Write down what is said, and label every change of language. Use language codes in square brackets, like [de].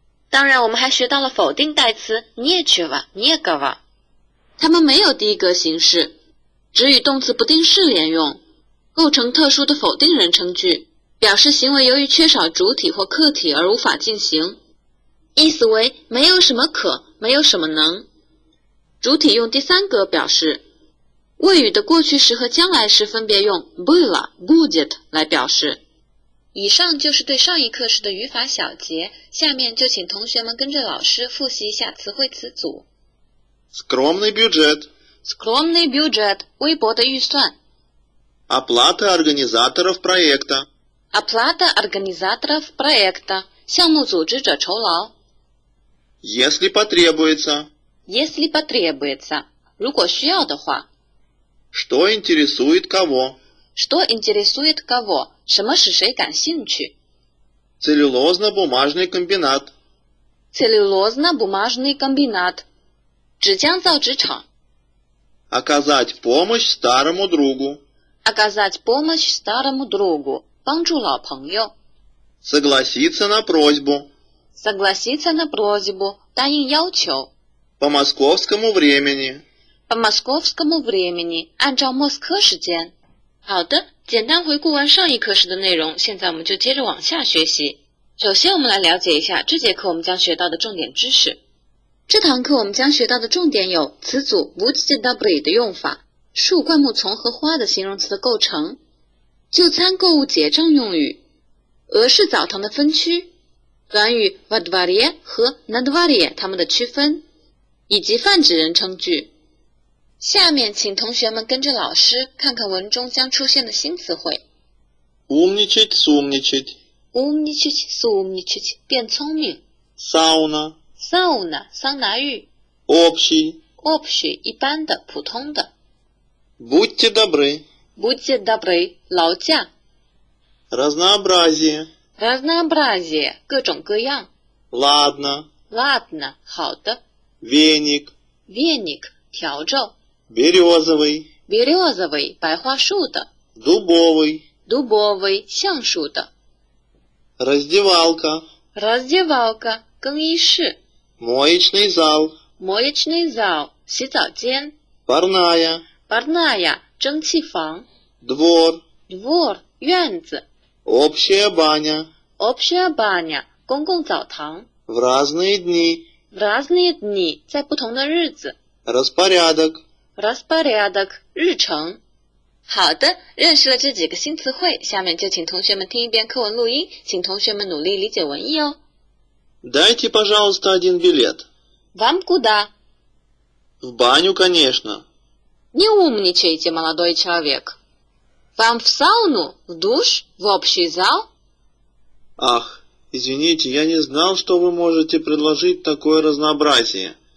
[zh] 当然我们还学到了否定代词涅去哇、涅个哇，它们没有第一格形式，只与动词不定式连用，构成特殊的否定人称句，表示行为由于缺少主体或客体而无法进行，意思为没有什么可、没有什么能，主体用第三格表示。谓语的过去时和将来时分别用 было、будет 来表示。以上就是对上一课时的语法小结，下面就请同学们跟着老师复习一下词汇词组。 [ru] Скромный бюджет. Скромный бюджет. [zh] 微薄的预算. [ru] Оплата организаторов проекта. Оплата организаторов проекта. [zh] 项目组织者酬劳. [ru] Если потребуется. Если потребуется. [zh] 如果需要的话. [ru] Что интересует кого. Что интересует кого. [zh] 什么使谁感兴趣. [ru] Целлюлозно-бумажный комбинат. Целлюлозно-бумажный комбинат. [zh] 纸浆造纸厂。 [ru] Оказать помощь старому другу. Оказать помощь старому другу. [zh] 帮助老朋友。 [ru] Согласиться на просьбу. Согласиться на просьбу. [zh] 答应要求。 [ru] По московскому времени. По московскому времени. [zh] 按照莫斯科时间。好的，简单回顾完上一课时的内容，现在我们就接着往下学习。首先我们来了解一下这节课我们将学到的重点知识。这堂课我们将学到的重点有词组 vujdobri 的用法、树、灌木丛和花的形容词的构成、就餐、购物、结账用语、俄式澡堂的分区，短语 во дворе 和 на дворе 它们的区分，以及泛指人称句。下面请同学们跟着老师看看文中将出现的新词汇。 [ru] умничать, сумничать, умничать, сумничать, [zh] 变聪明。 [ru] сауна, сауна, [zh] 桑拿浴。 [ru] общий, общий, [zh] 一般的、普通的。 [ru] будьте добры, будьте добры, [zh] 劳驾。 [ru] разнообразие, разнообразие, [zh] 各种各样。 [ru] ладно, ладно, [zh] 好的。 [ru] веник, веник, [zh] 笤帚。 [ru] березовый, березовый, [zh] 白桦树的。 [ru] дубовый, дубовый, [zh] 橡树的。 [ru] раздевалка, раздевалка, [zh] 更衣室。 [ru] моечный зал, моечный зал, [zh] 洗澡间。 [ru] парная, парная, [zh] 蒸汽房。 [ru] двор, двор, [zh] 院子。 [ru] общая баня, общая баня, [zh] 公共澡堂。 [ru] в разные дни, в разные дни, [zh] 在不同的日子。 [ru] распорядок, распорядок, [zh] 日程。好的，认识了这几个新词汇，下面就请同学们听一遍课文录音，请同学们努力理解文意哦。 [ru] Дайте, пожалуйста, один билет. Вам куда? В баню, конечно. Не умничайте, молодой человек. Вам в сауну, в душ, в общий зал? Ах, извините, я не знал, что вы можете предложить такое разнообразие.